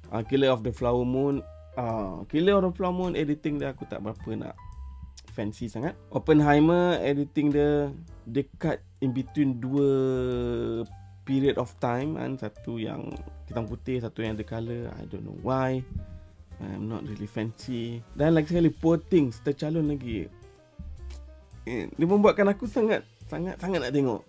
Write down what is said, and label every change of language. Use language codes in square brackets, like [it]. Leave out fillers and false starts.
[ms] Killer of the Flower Moon. Killer of the Flower Moon, editing dia aku tak berapa nak fancy sangat. Oppenheimer, editing dia dekat [en] in between [ms] dua period of time. And satu yang hitam putih, satu yang ada colour. [en] I don't know why, I'm not really fancy. [ms] Dan lagi sekali, Poor Things tercalon lagi. Dia membuatkan aku sangat, sangat, sangat nak tengok.